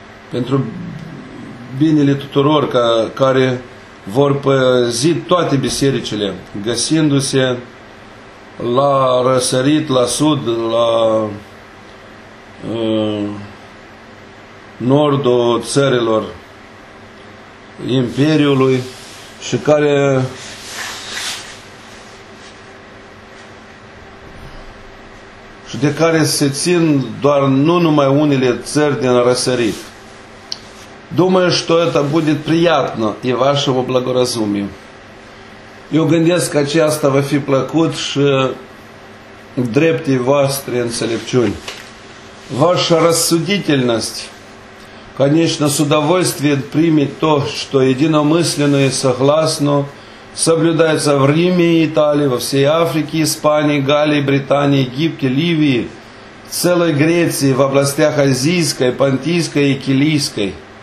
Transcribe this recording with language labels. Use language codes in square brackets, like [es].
[ro] pentru binele tuturor, ca, care vor păzi toate bisericile, găsindu-se la răsărit, la sud, la nordul țărilor Imperiului și care și de care se țin doar nu numai unele țări din răsărit. [ru] Думаю, что это будет приятно и вашему благоразумию. [ro] Eu gândesc că aceasta va fi plăcut și dreptei voastre înțelepciuni. [ru] Ваша рассудительность, конечно, с удовольствием примет то, что единомысленно и согласно соблюдается в Риме и Италии, во всей Африке, Испании, Галлии, Британии, Египте, Ливии, целой Греции, в областях Азийской, Понтийской и Килийской.